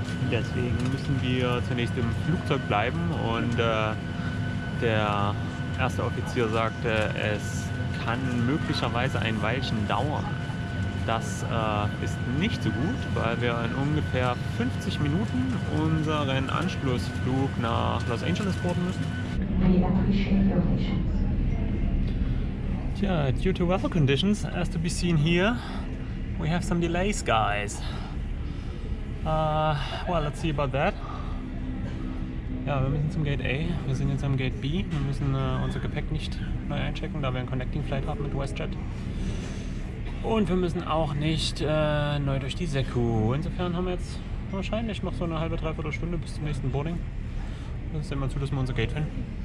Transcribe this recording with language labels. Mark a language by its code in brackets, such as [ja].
[de] Deswegen müssen wir zunächst im Flugzeug bleiben und der erste Offizier sagte, es kann möglicherweise ein Weilchen dauern. Das ist nicht so gut, weil wir in ungefähr 50 Minuten unseren Anschlussflug nach Los Angeles boarden müssen. [en] Tja, due to weather conditions, as to be seen here, we have some delays, guys. Well, let's see about that. [de] Ja, wir müssen zum Gate A, wir sind jetzt am Gate B. Wir müssen unser Gepäck nicht neu einchecken, da wir einen Connecting Flight haben mit WestJet. Und wir müssen auch nicht neu durch die Seku. Insofern haben wir jetzt wahrscheinlich noch so eine halbe, dreiviertel Stunde bis zum nächsten Boarding. Dann sehen wir zu, dass wir unser Gate finden.